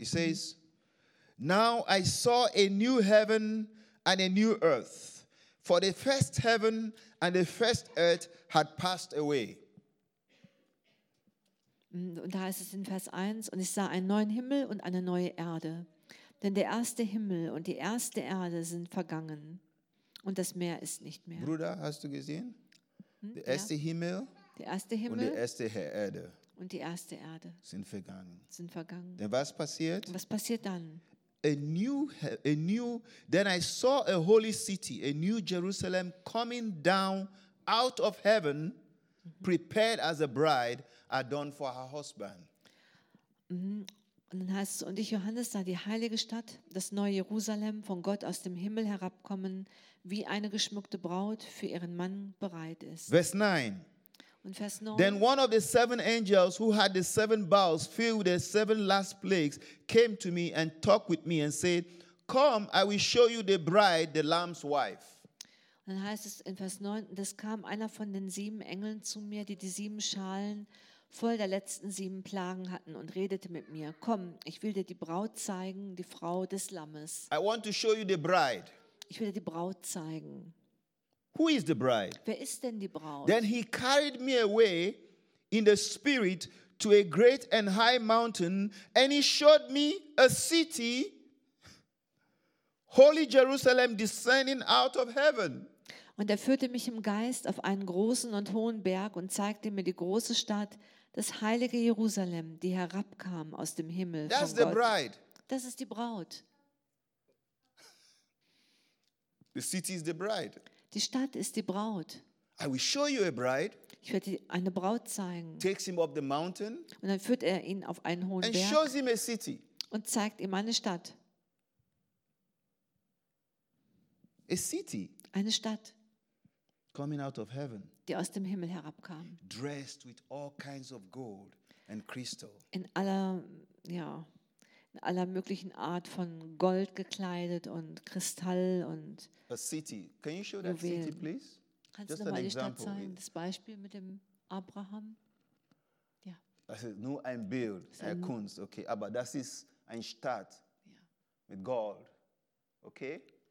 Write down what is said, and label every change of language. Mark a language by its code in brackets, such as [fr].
[en] It says, "Now I saw a new heaven and a new earth, for the first heaven and the first earth had passed away." [de] Und da heißt es in Vers 1, und ich sah einen neuen Himmel und eine neue Erde, denn der erste Himmel und die erste Erde sind vergangen und das Meer ist nicht mehr. Bruder, hast du gesehen? Der erste Himmel. Der erste Himmel und die erste Erde, und die erste Erde sind vergangen. Sind vergangen. Denn was passiert? Was passiert dann? [en] A new. Then I saw a holy city, a new Jerusalem, coming down out of heaven, prepared as a bride adorned for her husband. [de] Und dann heißt es: Und ich, Johannes, sah die heilige Stadt, das neue Jerusalem, von Gott aus dem Himmel herabkommen, wie eine geschmückte Braut für ihren Mann bereit ist. Vers 9. Und Vers 9. [en] Then one of the seven angels who had the seven bowls filled with the seven last plagues came to me and talked with me and said, "Come, I will show you the bride, the Lamb's wife." [de] Und dann heißt es in Vers 9, das kam einer von den sieben Engeln zu mir, die die sieben Schalen voll der letzten sieben Plagen hatten und redete mit mir, "Komm, ich will dir die Braut zeigen, die Frau des Lammes." [en] I want to show you the bride. [de] Ich will dir die Braut zeigen. [en] Who is the bride? [de] Wer ist denn die Braut? [en] Then he carried me away in the spirit to a great and high mountain, and he showed me a city, holy Jerusalem, descending out of heaven. [de] Und führte mich im Geist auf einen großen und hohen Berg und zeigte mir die große Stadt, das heilige Jerusalem, die herabkam aus dem Himmel. [en] That's the bride. [de] Das ist die Braut. [en] The city is the bride. [de] Die Stadt ist die Braut. [en] I will show you a bride. [de] Ich werde dir eine Braut zeigen. [en] Takes him up the mountain. [de] Und dann führt er ihn auf einen hohen [en] and [de] Berg. [en] And shows him a city. [de] Und zeigt ihm eine Stadt. [en] A city. [de] Eine Stadt. [en] Coming out of heaven. [de] Die aus dem Himmel herabkam. [en] Dressed with all kinds of gold and crystal. [de] In aller möglichen Art von Gold gekleidet und Kristall und [en] a city. Can you show that city, please? [de] Kannst du nochmal die Stadt zeigen? Das Beispiel mit dem Abraham? Ja. Das ist nur ein Bild, eine Kunst, okay. Aber das ist eine Stadt mit Gold, okay?